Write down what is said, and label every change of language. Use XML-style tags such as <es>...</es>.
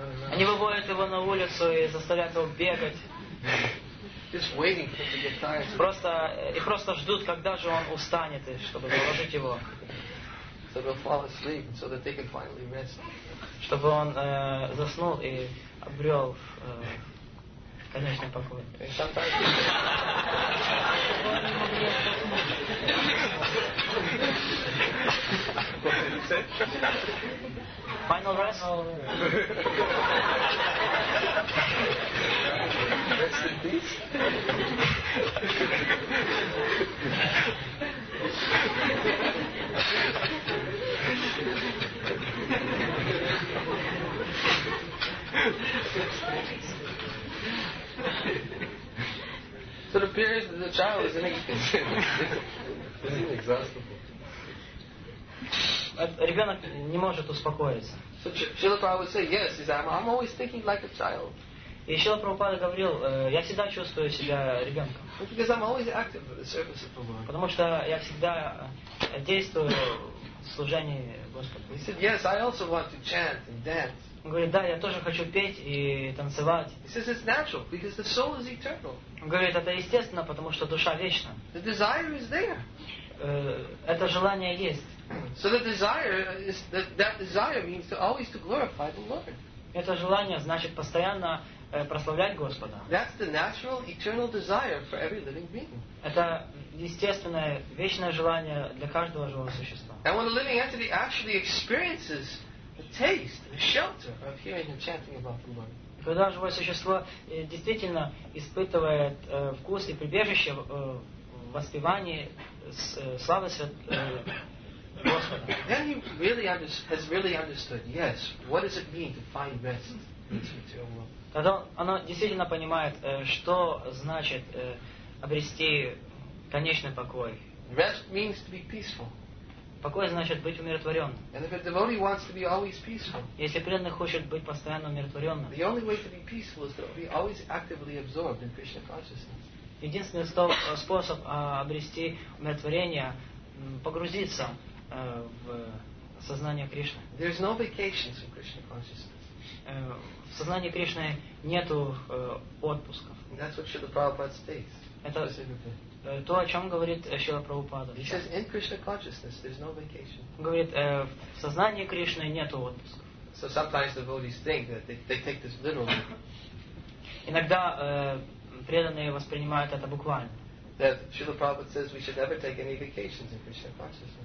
<ru>Они выводят его на улицу и заставляют его бегать.</ru> <en>Just waiting for him to get tired.</en> <ru>Просто ждут, когда же он устанет, и чтобы заложить его.</ru> <en>So they'll fall asleep so that they can finally rest.</en> <ru>Чтобы он заснул и обрел конечный покой.</ru> <en>Final rest. Rest in peace. So it appears that the child is inexhaustible.</en> <ru>Ребенок не может успокоиться.</ru> <en>So Srila Prabhupada would say, yes, I'm always thinking like a child.</en> <ru>И Srila Prabhupada говорил, я всегда чувствую себя ребенком.</ru> <en>Because I'm always active in the service of the Lord.</en> <ru>Потому что я всегда действую в служении Господу.</ru> <en>He said, yes, I also want to chant and dance.</en> <ru>Он говорит, да, я тоже хочу петь и танцевать.</ru> <en>He says it's natural because the soul is eternal.</en> <ru>Он говорит, это естественно, потому что душа вечна.</ru> <en>The desire is there.</en> <ru>Это желание есть.</ru> <en>So the desire is that desire means to always to glorify the Lord.</en> <ru>Это желание значит постоянно прославлять Господа.</ru> <en>That's the natural eternal desire for every living being.</en> <ru>Это естественное вечное желание для каждого живого существа.</ru> <en>And when a living entity actually experiences a taste, a shelter of hearing and chanting about the Lord.</en> <ru>Когда живое существо действительно испытывает вкус и прибежище в воспевании славы Господа.</ru> <en>Then he really has really understood, yes, what does it mean to find rest in this material world?</en> <ru>Тогда оно действительно понимает, что значит обрести конечный покой.</ru> <en>Rest means to be peaceful.</en> <ru>Покой значит быть умиротворенным.</ru> <en>And if a devotee wants to be always peaceful,</en> <ru>если преданный хочет быть постоянно умиротворенным,</ru> <en>the only way to be peaceful is to be always actively absorbed in Krishna consciousness.</en> <ru>Единственный способ обрести умиротворение – погрузиться в сознание Кришны.</ru> <en>There is no vacations in Krishna consciousness.</en> <ru>В сознании Кришны нету отпусков.</ru> <en>That's what Srila Prabhupada states.</en> <ru>Это то, о чем говорит Шрила Прабхупада.</ru> <en>He says, in Krishna consciousness, there's no vacation.</en> <ru>Он говорит, в сознании Кришны нет отпуска.</ru> <en>So sometimes the devotees think that they take this literally.</en> <ru>Иногда преданные воспринимают это буквально.</ru> <en>That Srila Prabhupada says we should never take any vacations in Krishna consciousness.</en>